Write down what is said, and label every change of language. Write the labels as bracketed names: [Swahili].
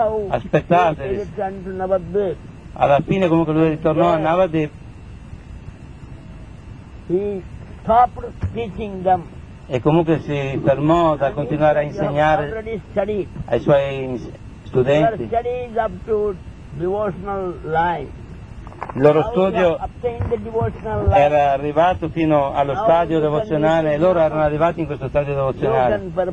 [Italian] Aspettate. Alla fine, comunque, lui ritornò a Navadvip. [English] He stopped teaching them. [Italian] E comunque si fermò da [English] and [Italian] continuare a insegnare ai suoi studenti. [English] Up to devotional life. [Italian] Il loro studio [English] the devotional life. [Italian] Era arrivato fino allo [English] now [Italian] stadio devozionale, e loro erano arrivati in questo stadio devozionale.